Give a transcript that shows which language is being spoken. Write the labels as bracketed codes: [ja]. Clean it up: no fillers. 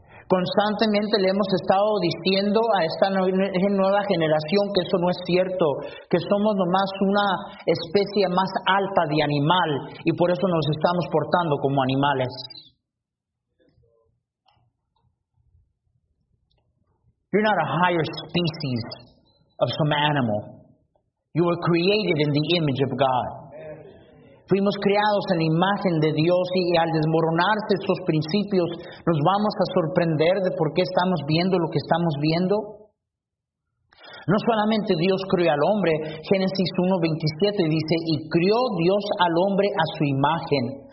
[es] Constantemente le hemos estado diciendo a esta nueva generación que eso no es cierto, que somos nomás una especie más alta de animal y por eso nos estamos portando como animales. [en] You're not a higher species of some animal. You were created in the image of God. [es] Fuimos creados en la imagen de Dios y al desmoronarse estos principios, ¿nos vamos a sorprender de por qué estamos viendo lo que estamos viendo? No solamente Dios creó al hombre, Génesis 1:27 dice, y crió Dios al hombre a su imagen.